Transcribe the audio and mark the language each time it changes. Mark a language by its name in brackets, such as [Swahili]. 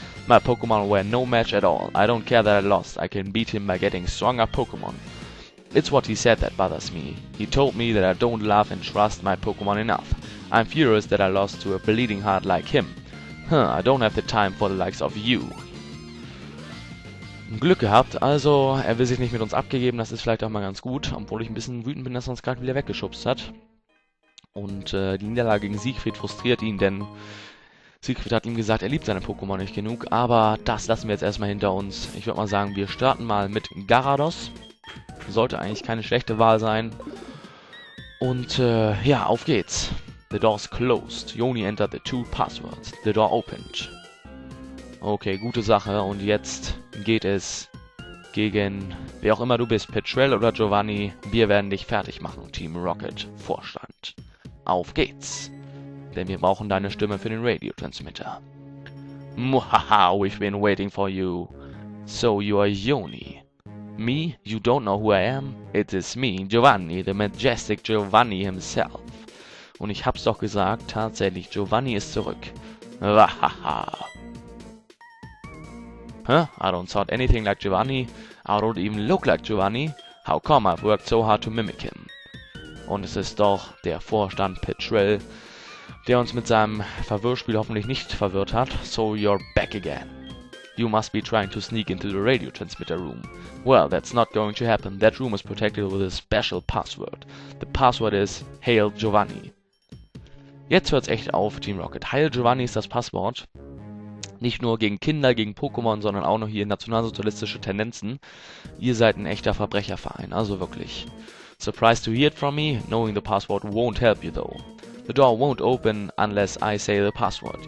[English] My Pokémon were no match at all. I don't care that I lost. I can beat him by getting stronger Pokémon. It's what he said that bothers me. He told me that I don't love and trust my Pokémon enough. I'm furious that I lost to a bleeding heart like him. Huh, I don't have the time for the likes of you. [German] Glück gehabt, also er will sich nicht mit uns abgegeben, das ist vielleicht auch mal ganz gut, obwohl ich ein bisschen wütend bin, dass er uns gerade wieder weggeschubst hat. Und die Niederlage gegen Siegfried frustriert ihn, denn Siegfried hat ihm gesagt, er liebt seine Pokémon nicht genug, aber das lassen wir jetzt erstmal hinter uns. Ich würde mal sagen, wir starten mal mit Gyarados, sollte eigentlich keine schlechte Wahl sein. Und ja, auf geht's. [English] The door's closed, Yoni entered the two passwords, the door opened. [German] Okay, gute Sache. Und jetzt geht es gegen wer auch immer du bist, Petrel oder Giovanni. Wir werden dich fertig machen, Team Rocket Vorstand. Auf geht's. Denn wir brauchen deine Stimme für den Radiotransmitter. [English] Muhaha, we've been waiting for you. So you are Yoni. Me? You don't know who I am? It is me, Giovanni, the majestic Giovanni himself. [German] Und ich hab's doch gesagt, tatsächlich, Giovanni ist zurück. Wahaha. [English] Huh? I don't sound anything like Giovanni. I don't even look like Giovanni. How come I've worked so hard to mimic him? [German] Und es ist doch der Vorstand Petrel, der uns mit seinem Verwirrspiel hoffentlich nicht verwirrt hat. [English] So you're back again. You must be trying to sneak into the radio transmitter room. Well, that's not going to happen. That room is protected with a special password. The password is Hail Giovanni. [German] Jetzt hört's echt auf, Team Rocket. Hail Giovanni ist das Passwort. Nicht nur gegen Kinder, gegen Pokémon, sondern auch noch hier nationalsozialistische Tendenzen. Ihr seid ein echter Verbrecherverein, also wirklich. [English] Surprised to hear it from me, knowing the password won't help you though. The door won't open unless I say the password.